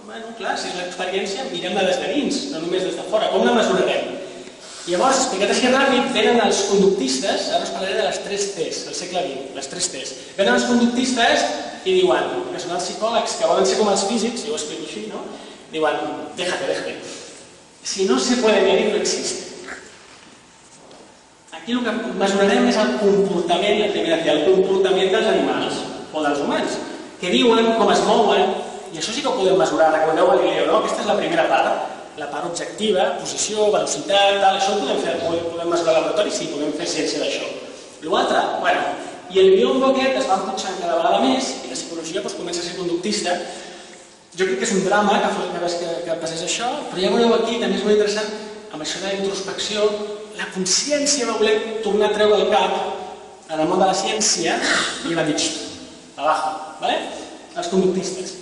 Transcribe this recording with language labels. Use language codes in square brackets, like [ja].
[ca] Bueno, clar, si és l'experiència, mirem-la des de dins, no només des de fora, com la mesurarem? Llavors, explicat així ràpid, venen els conductistes, ara us parlaré de les tres T's, del segle XX, les tres T's. Venen els conductistes i diuen, que són els psicòlegs, que volen ser com els físics, jo ho explico així, no? Diuen, [es] déjate, déjate. Si no se puede medir, no existe. Aquí lo que mesurarem es el comportamiento, el tema hacia el comportamiento de los animales o de los humanos, [ca] que diuen, com es mouen, i això sí que ho podem mesurar, recordeu el Galileo, [es] no? [ca] Aquesta és la primera part, la part objectiva, posició, velocitat, tal, això ho podem fer, podem mesurar al laboratori, sí, podem fer ciència d'això. L'altre, bueno, i el biombo aquest es va empujant cada vegada més, i la psicologia doncs, comença a ser conductista. Jo crec que és un drama que fos una vegada que passés això, però ja veureu aquí, també és molt interessant, amb això de la introspecció, la consciència va voler tornar a treure el cap en el món de la ciència i va dir, [es] abajo. ¿Vale? [ca] Els conductistes.